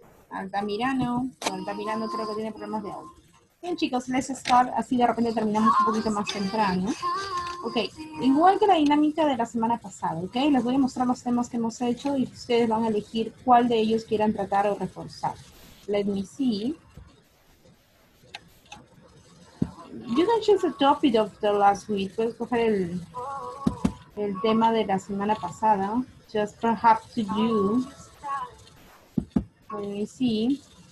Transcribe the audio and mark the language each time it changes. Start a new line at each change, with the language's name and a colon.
Spanish: Altamirano, Altamirano creo que tiene problemas de audio. Bien chicos,
English: let's start,
Spanish: así de repente terminamos un poquito más temprano. Ok, igual que la dinámica de la semana pasada, ok, les voy a mostrar los temas que hemos hecho y ustedes van a elegir cuál de ellos quieran tratar o reforzar.
English: Let me see. You can choose the topic of the last week.
Spanish: Puedes coger el tema de la semana pasada.
English: Just perhaps to you. Let me see.